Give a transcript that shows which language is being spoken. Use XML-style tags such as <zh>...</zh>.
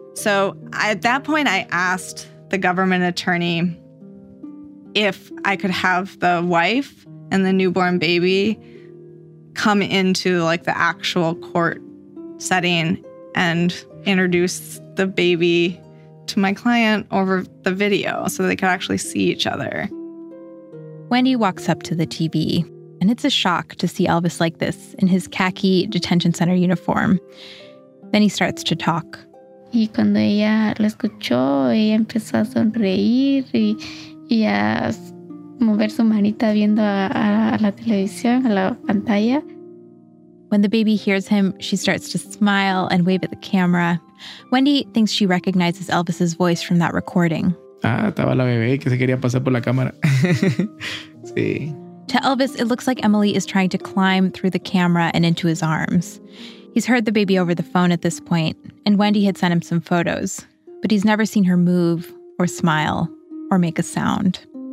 <en>So at that point, I asked the government attorney if I could have the wife and the newborn baby come into, like, the actual court setting and introduce the baby to my client over the video so they could actually see each other. Wendy walks up to the TV, and it's a shock to see Elvis like this in his khaki detention center uniform. Then he starts to talk.</en> <es>Y cuando ella lo escuchó, ella empezó a sonreír y a mover su manita viendo a la televisión, a la pantalla.</es> <en>When the baby hears him, she starts to smile and wave at the camera. Wendy thinks she recognizes Elvis's voice from that recording.</en> <es>Ah, estaba la bebé que se quería pasar por la cámara. Sí.</es> <en>To Elvis, it looks like Emily is trying to climb through the camera and into his arms. He's heard the baby over the phone at this point, and Wendy had sent him some photos, but he's never seen her move or smile or make a sound.</en>